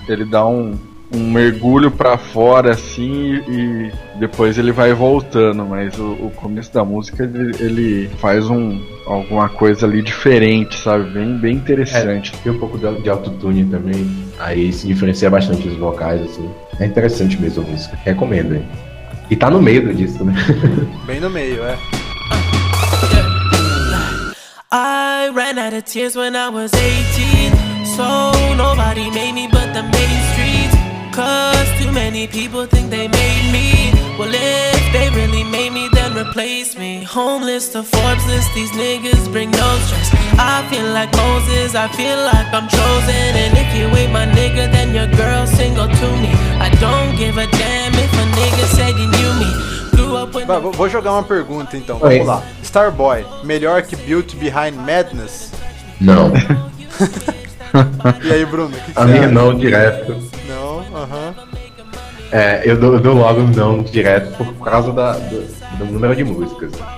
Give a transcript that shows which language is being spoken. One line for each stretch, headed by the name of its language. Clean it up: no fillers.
Portuguese: Ele dá um mergulho pra fora, assim, e depois ele vai voltando, mas o começo da música ele faz alguma coisa ali diferente, sabe? Bem, bem interessante. Tem um pouco de autotune também, aí se diferencia bastante os vocais, assim. É interessante mesmo a música, recomendo, hein? E tá no meio do disco, né? Bem no meio,
English: I ran out of tears when I was 18. So nobody made me but the main street. Cause too many people think they made me. Well, if they really made me, then replace me. Homeless to Forbes list, these niggas bring no stress. I feel like Moses, I feel like I'm chosen. And if you ain't my nigga, then your girl single to me. I don't give a damn if a nigga said he knew me.
Portuguese: Vou jogar uma pergunta então. Vamos lá. Starboy, melhor que Built Behind Madness? Não. E aí, Bruno? Que a minha não, direto. Não, aham. É, eu dou logo não direto por causa do número de músicas.